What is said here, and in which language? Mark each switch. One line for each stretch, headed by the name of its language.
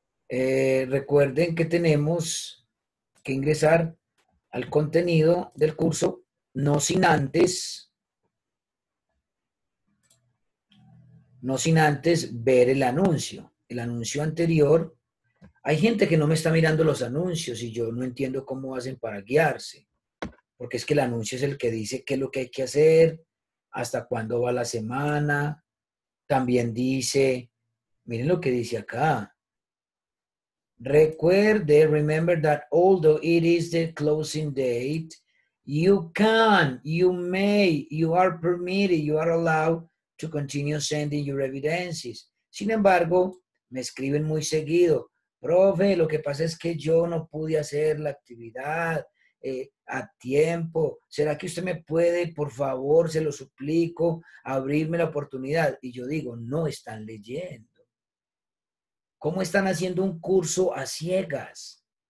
Spanish: Recuerden que tenemos que ingresar al contenido del curso, no sin antes ver el anuncio anterior. Hay gente que no me está mirando los anuncios y yo no entiendo cómo hacen para guiarse, porque es que el anuncio es el que dice qué es lo que hay que hacer, hasta cuándo va la semana. También dice, miren lo que dice acá. Recuerde,
English: remember that although it is the closing date, you can, you may, you are permitted, you are allowed to continue sending your evidences.
Spanish: Sin embargo, me escriben muy seguido, profe, lo que pasa es que yo no pude hacer la actividad a tiempo. ¿Será que usted me puede, por favor, se lo suplico, abrirme la oportunidad? Y yo digo, no están leyendo. ¿Cómo están haciendo un curso a ciegas?